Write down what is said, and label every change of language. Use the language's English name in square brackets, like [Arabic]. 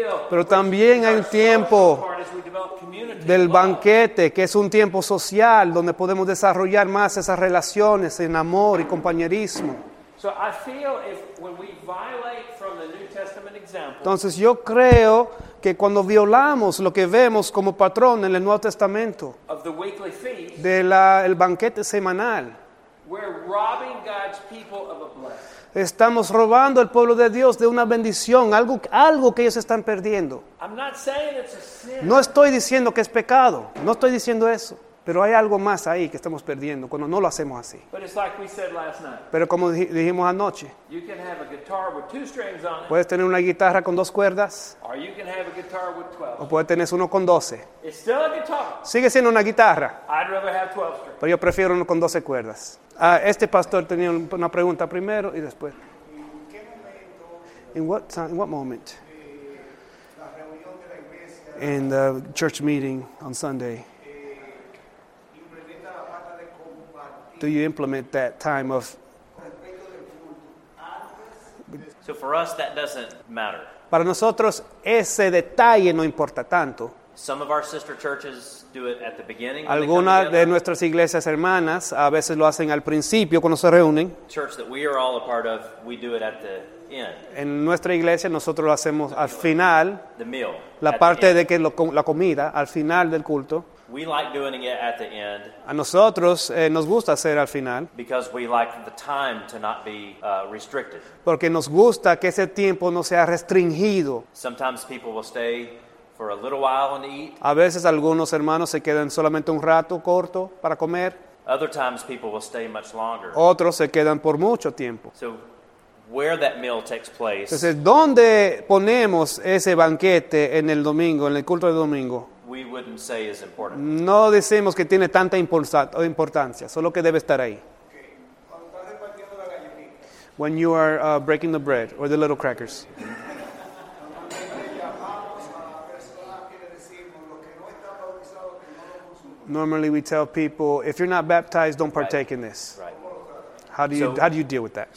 [Spanish] Pero también hay un tiempo del banquete, que es un tiempo social donde podemos desarrollar más esas relaciones en amor y compañerismo. [English] So I feel if when we violate from the New Testament example, [Spanish] entonces yo creo que cuando violamos lo que vemos como patrón en el Nuevo Testamento [English] of the weekly feast, [Spanish] de el banquete semanal, [English] we're robbing God's people of a blessing. [Spanish] Estamos robando al pueblo de Dios de una bendición, algo que ellos están perdiendo. [English] I'm not saying it's a sin. [Spanish] No estoy diciendo que es pecado, no estoy diciendo eso. Pero hay algo más ahí que estamos perdiendo cuando no lo hacemos así. [English] But it's like we said last night. [Spanish] Pero como dijimos anoche, [English] you can have a guitar with two strings on it. [Spanish] Puedes tener una guitarra con dos cuerdas, [English] or you can have a guitar with 12. [Spanish] O puedes tener uno con 12. [English] It's still a guitar. [Spanish] Sigue siendo una guitarra. [English] I'd rather have 12 strings. [Spanish] Pero yo prefiero uno con 12 cuerdas. Este pastor tenía una pregunta primero y después. [English] In what time, what moment? In the church meeting on Sunday. Do you implement that time of... So for us, that doesn't matter. [Spanish] Para nosotros, ese detalle no importa tanto. [English] Some of our sister churches do it at the beginning. [Spanish] Algunas de nuestras iglesias hermanas a veces lo hacen al principio cuando se reúnen. [English] Church that we are all a part of, we do it at the end. [Spanish] En nuestra iglesia nosotros lo hacemos al final. [English] The meal. [Spanish] La parte de que la comida al final del culto. [English] We like doing it at the end. [Spanish] A nosotros nos gusta hacer al final. [English] Because we like the time to not be restricted. [Spanish] Porque nos gusta que ese tiempo no sea restringido. [English] Sometimes people will stay for a little while and eat. [Spanish] A veces algunos hermanos se quedan solamente un rato corto para comer. [English] Other times people will stay much longer. [Spanish] Otros se quedan por mucho tiempo. [English] So where that meal takes place. [Spanish] Entonces, ¿dónde ponemos ese banquete en el domingo, en el culto de domingo? [English] We wouldn't say is important. [Spanish] No decimos que tiene tanta importancia, solo que debe estar ahí. [English] When you are breaking the bread or the little crackers. Normally we tell people, if you're not baptized, don't partake right. in this. Right. How do you deal with that?